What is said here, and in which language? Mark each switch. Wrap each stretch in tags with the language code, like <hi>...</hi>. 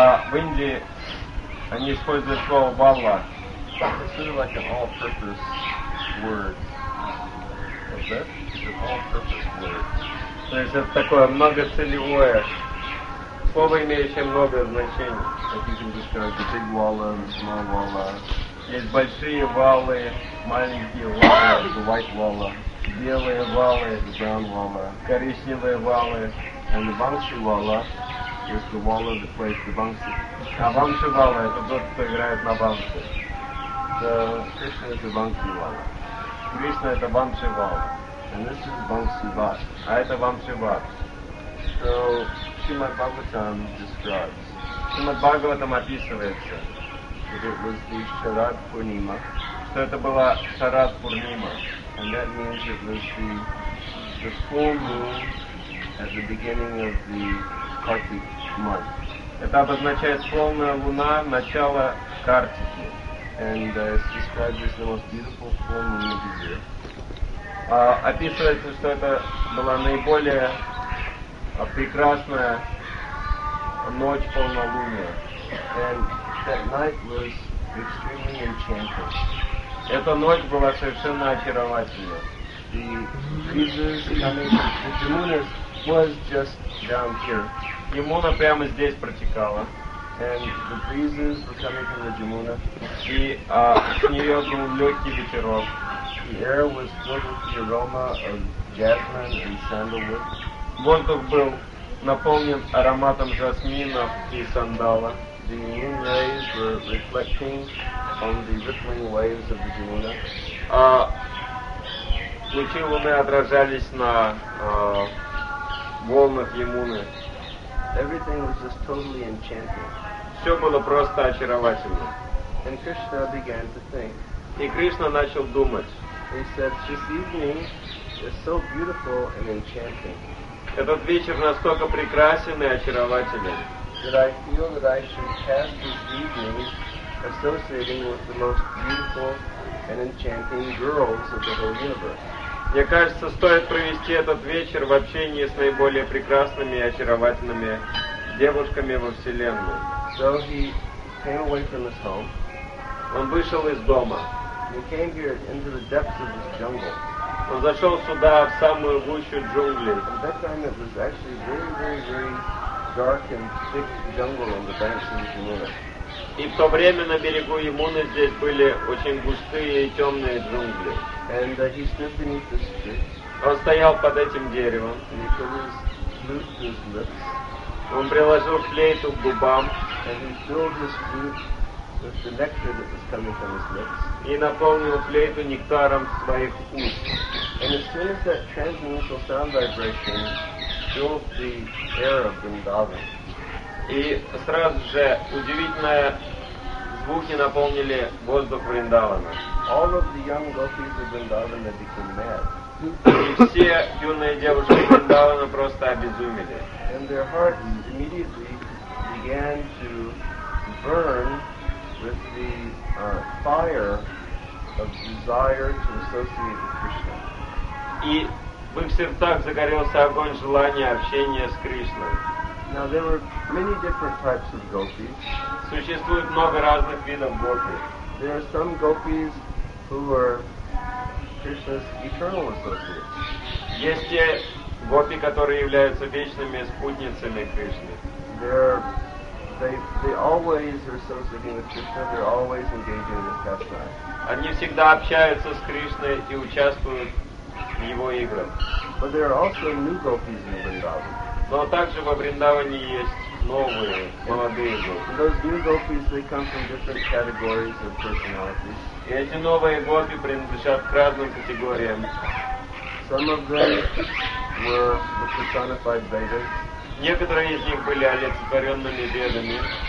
<ru>В Индии они используют слово валла.</ru> <en>It's sort of like an all-purpose word. What's that? It's an all-purpose word.</en> <ru>То есть это такое многоцелевое слово имеющее много значений. Такие</ru> <en>big wallahs, small wallahs.</en> <ru>Есть большие валы, маленькие валы,</ru> <en>the white wallah.</en> <ru>Белые валы,</ru> <en>the brown wallah.</en> <ru>Коричневые валы,</ru> <en>and the bangshi wallah. Is the wall of the place, the bangshi.</en> <ru>А бангши вала — это тот, кто играет на бангши.</ru> <en>The Krishna is the bangshi wala.</en> <ru>Krishna — это бангши вала.</ru> <en>And this is bangshi bat.</en> <ru>А это бангши бат.</ru> <en>So, Srimad Bhagavatam describes.</en> <ru>Srimad Bhagavatam описывает все.</ru> <en>That it was the Sharad Purnima.</en> <ru>Что это была Sharad Purnima.</ru> <en>And that means it was the full moon at the beginning of the</en> <ru>Это обозначает полная луна, начало Картики.</ru> <en>And it's described as the most beautiful full moon of the year.</en> <ru>Описывается, что это была наиболее прекрасная ночь полнолуния.</ru> <en>And that night was extremely enchanting.</en> <ru>Эта ночь была совершенно очаровательна.</ru> <en>The moon was just down here.</en> <ru>Джамуна прямо здесь протекала.</ru> <en>And the breezes were coming from the Jamuna.</en> <ru>И с нее был легкий ветерок.</ru> <en>The air was filled with the aroma of jasmine and sandalwood.</en> <ru>Воздух был наполнен ароматом жасмина и сандала.</ru> <en>The moon rays were reflecting on the rippling waves of the Jamuna.</en> <ru>Лучи луны отражались на волнах Ямуны.</ru> <en>Everything was just totally enchanting.</en> <ru>Все было просто очаровательно.</ru> <en>And Krishna began to think.</en> <ru>И Кришна начал думать.</ru> <en>He said, "This evening is so beautiful and enchanting."</en> <ru>Этот вечер настолько прекрасен и очарователен.</ru> <en>That I feel that I should have this evening associating with the most beautiful and enchanting girls of the whole universe.</en> <ru>Мне кажется, стоит провести этот вечер в общении с наиболее прекрасными и очаровательными девушками во Вселенной.</ru> <en>So he came away from his home.</en> <ru>Он вышел из дома.</ru> <en>He came here into the depths of this jungle.</en> <ru>Он зашел сюда, в самую гущу джунглей.</ru> <en>At that time it was actually very, very, very dark and thick jungle on the banks of the Yamuna.</en> <ru>И в то время на берегу Ямуны здесь были очень густые и темные джунгли.</ru> <en>And he stood beneath this tree.</en> <ru>Он стоял под этим деревом.</ru> <en>And he put his flute to his lips.</en> <ru>Он приложил флейту к губам.</ru> <en>And he filled his flute with the nectar that was coming from his lips.</en> <ru>И наполнил флейту нектаром своих уст.</ru> <en>And as soon as that transmutual sound vibration filled the air of Vrindavan.</en> <ru>И сразу же удивительные звуки наполнили воздух Вриндавана.</ru> <en>All of the young gopis of Vrindavan became mad.</en> <ru>И все юные девушки Вриндавана просто обезумели.</ru> <en>And their hearts immediately began to burn with the fire of desire to associate with Krishna.</en> <ru>И в их сердцах загорелся огонь желания общения с Кришной.</ru> <en>Now there were many different types of gopis.</en> <ru>Существует много разных видов гопи.</ru> <en>There are some gopis who are Krishna's eternal associates.</en> <ru>Есть те гопи, которые являются вечными спутницами Кришны.</ru> <en>They always are associating with Krishna. They're always engaging with Krishna.</en> <ru>Они всегда общаются с Кришной и участвуют в его играх.</ru> <en>But there are also new gopis in Vrindavan.</en> <ru>Но также во Вриндаване есть новые, молодые гопи.</ru> <en>Those new gopis, they come from different categories of personalities.</en> <ru>И эти новые гопи принадлежат к разным категориям.</ru> <en>Some of them were personified Vedas.</en> <ru>Некоторые из них были олицетворенными Ведами.</ru>